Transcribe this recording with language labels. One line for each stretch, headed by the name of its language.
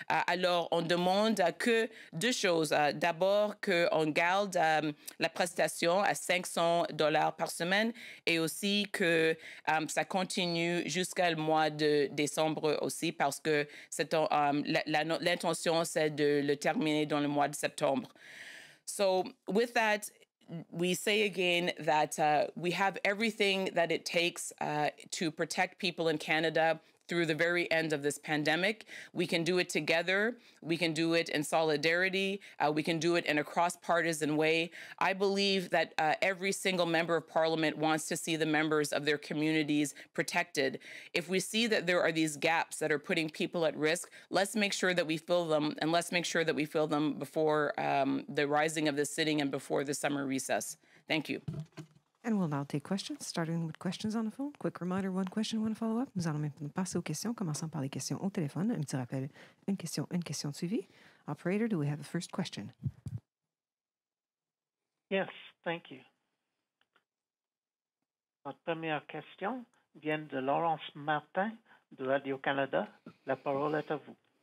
French: Alors, on demande que deux choses. D'abord, qu'on garde la prestation à 500 $ par semaine et aussi que ça continue jusqu'à le mois de décembre aussi, parce que c'est l'intention, c'est de le terminer dans le mois de septembre.
English: So with that, we say again that we have everything that it takes to protect people in Canada through the very end of this pandemic. We can do it together. We can do it in solidarity. We can do it in a cross-partisan way. I believe that every single member of parliament wants to see the members of their communities protected. If we see that there are these gaps that are putting people at risk, let's make sure that we fill them, and let's make sure that we fill them before the rising of the sitting and before the summer recess. Thank you. And we'll now take questions, starting with questions on the phone. Quick reminder, one question, one follow-up.
French: Nous allons maintenant passer aux questions, commençant par les questions au téléphone. Un petit rappel, une question suivie.
English: Operator, do we have a first question? Yes, thank you.
French: Notre première question vient de Laurence Martin de Radio-Canada. La parole est à vous.